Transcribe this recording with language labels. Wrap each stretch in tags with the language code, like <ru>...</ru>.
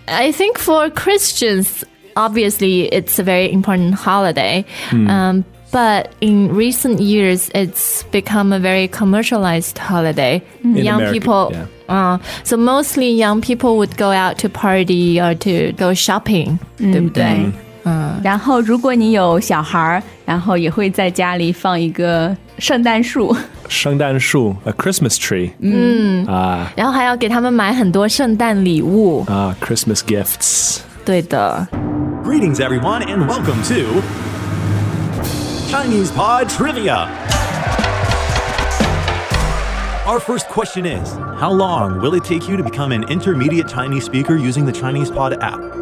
<en>Yeah, I think for Christians... Obviously, it's a very important holiday. But in recent years, it's become a very commercialized holiday. In young America, people, yeah. So mostly young people would go out to party or to go shopping,</en> <zh>对不对？然后如果你有小孩，然后也会在家里放一个圣诞树。</zh> <en>圣诞树 ，a Christmas tree.</en> <zh>然后还要给他们买很多圣诞礼物。</zh> <en>Christmas gifts.</en> <zh>对的。</zh> <en>Greetings, everyone, and welcome to Chinese Pod Trivia. Our first question is, how long will it take you to become an intermediate Chinese speaker using the Chinese Pod app?</en>